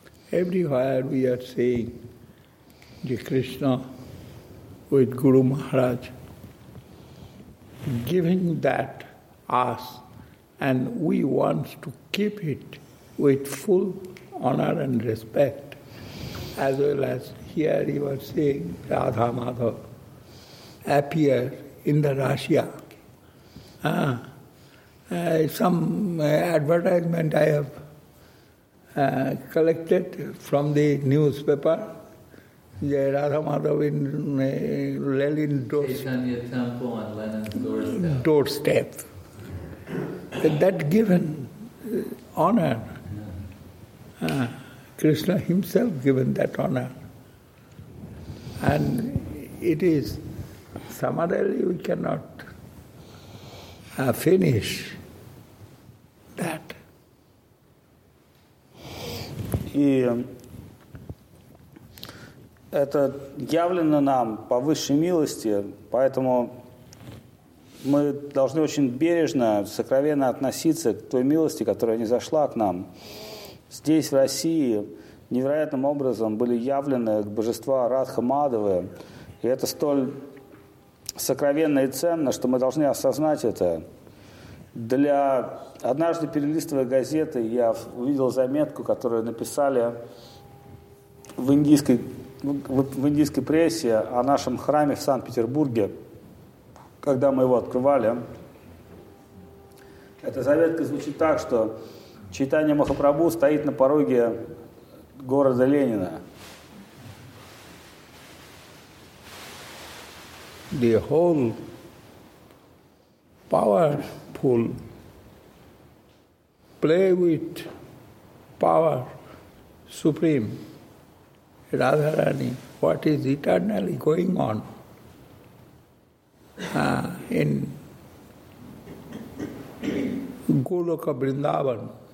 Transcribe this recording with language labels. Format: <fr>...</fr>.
<en>Everywhere we are saying the Krishna with Guru Maharaj giving that us, and we want to keep it with full honor and respect, as well as here you are saying Radha Madhav appear in the Russia. Advertisement I have collected from the newspaper, the Radha Madhav in Lenin doorstep. That given honor, Krishna himself given that honor. And it is, summarily we cannot finish that.</en> <ru>И это явлено нам по высшей милости, поэтому мы должны очень бережно, сокровенно относиться к той милости, которая низошла к нам. Здесь, в России, невероятным образом были явлены божества Радха Мадхавы. И это столь сокровенно и ценно, что мы должны осознать это. Для однажды перелистывая газеты, я увидел заметку, которую написали в индийской прессе о нашем храме в Санкт-Петербурге, когда мы его открывали. Эта заветка звучит так, что Чайтанья Махапрабху стоит на пороге города Ленина.</ru> <en>The whole powerful play with power supreme Radharani, what is eternally going on in Goloka Vrindavan.</en>